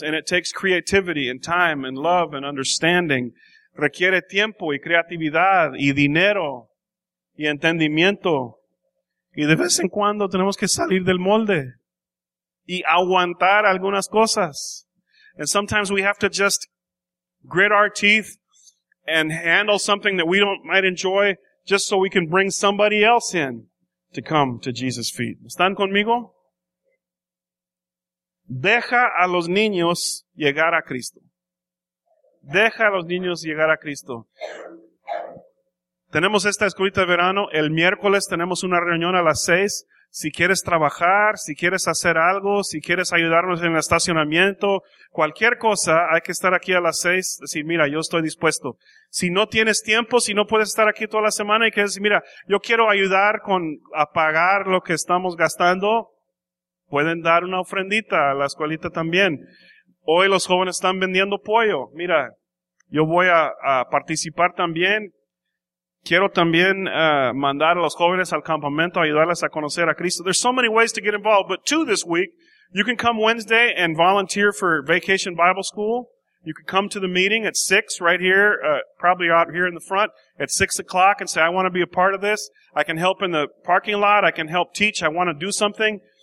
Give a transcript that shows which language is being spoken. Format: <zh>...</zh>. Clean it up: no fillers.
<en>And it takes creativity and time and love and understanding.</en> <es>Requiere tiempo y creatividad y dinero y entendimiento. Y de vez en cuando tenemos que salir del molde y aguantar algunas cosas.</es> <en>And sometimes we have to just grit our teeth and handle something that we don't might enjoy just so we can bring somebody else in to come to Jesus' feet.</en> <es>¿Están conmigo? Deja a los niños llegar a Cristo. Deja a los niños llegar a Cristo. Tenemos esta escuelita de verano. El miércoles tenemos una reunión a las 6. Si quieres trabajar, si quieres hacer algo, si quieres ayudarnos en el estacionamiento, cualquier cosa, hay que estar aquí a las 6. Decir, mira, yo estoy dispuesto. Si no tienes tiempo, si no puedes estar aquí toda la semana y quieres decir, mira, yo quiero ayudar con a pagar lo que estamos gastando, pueden dar una ofrendita a la escuelita también. Hoy los jóvenes están vendiendo pollo. Mira, yo voy a participar también. Quiero también mandar a los jóvenes al campamento, ayudarles a conocer a Cristo.</es> <en>There's so many ways to get involved, but two this week. You can come Wednesday and volunteer for Vacation Bible School. You can come to the meeting at 6 right here, probably out here in the front, at 6 o'clock and say, I want to be a part of this. I can help in the parking lot. I can help teach. I want to do something.</en>